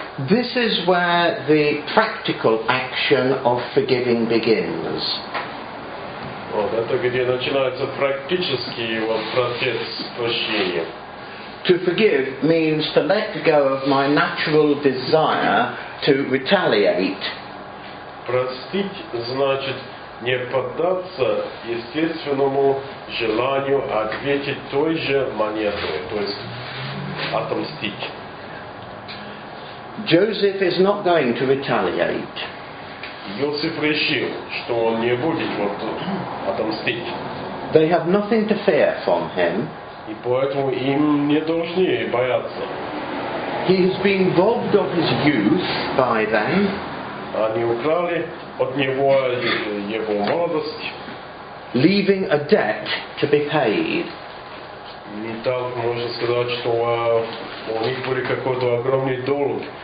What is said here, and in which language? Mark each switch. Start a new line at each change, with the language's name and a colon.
English: This is where the practical action of forgiving begins.
Russian: Вот это где начинается практический вот процесс прощения.
English: To forgive means to let go of my natural desire to retaliate.
Russian: Простить значит не поддаться естественному желанию ответить той же монетой, то есть отомстить.
English: Joseph is not going to retaliate.
Russian: Joseph решил, что он не будет вот отомстить.
English: They have nothing to fear from him.
Russian: И поэтому им не должны бояться.
English: He has been robbed of his youth by them.
Russian: Они украли от него его молодость.
English: Leaving a debt to be paid.
Russian: Не так можно сказать, что у них был какой-то огромный долг.